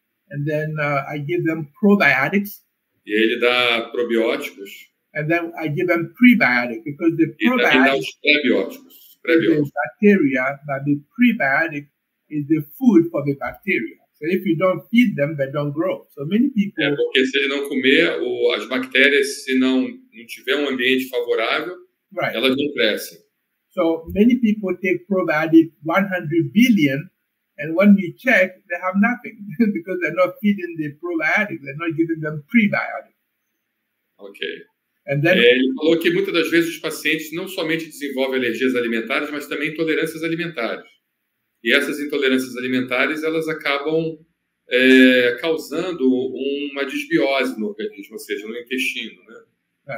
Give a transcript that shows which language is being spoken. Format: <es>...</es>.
<en>And then I give them probiotics.</en> <pt>E ele dá probióticos.</pt> <en>And then I give them prebiotics because the probiotics.</en> <pt>Prebióticos.</pt> <en>The bacteria, but the prebiotic is the food for the bacteria. So if you don't feed them, they don't grow. So many people.</en> <pt>É porque se ele não comer, as bactérias, se não tiver ambiente favorável,</pt> <en>right.</en> <pt>Elas não crescem.</pt> <en>So many people take probiotic 100 billion. And when we check, they have nothing because they're not feeding the probiotics. They're not giving them prebiotics. Okay. And then</en> <pt>ele falou que muitas das vezes os pacientes não somente desenvolvem alergias alimentares, mas também intolerâncias alimentares. E essas intolerâncias alimentares, elas acabam causando uma disbiose no organismo, ou seja, no intestino, né?</pt> <en>Right.</en>